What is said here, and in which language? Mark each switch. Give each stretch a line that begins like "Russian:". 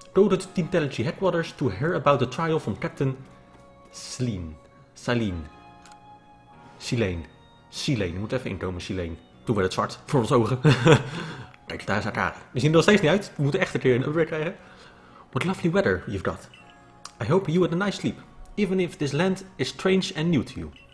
English: Go to Team Telechi headquarters to hear about the trial from Captain Silene.
Dutch: Je moet even inkomen, Silene. Toen werd het zwart voor onze ogen. Kijk, daar is Akari. We zien er nog steeds niet uit. We moeten echt een keer een upgrade krijgen.
English: What lovely weather you've got. I hope you had a nice sleep. Even if this land is strange and new to you.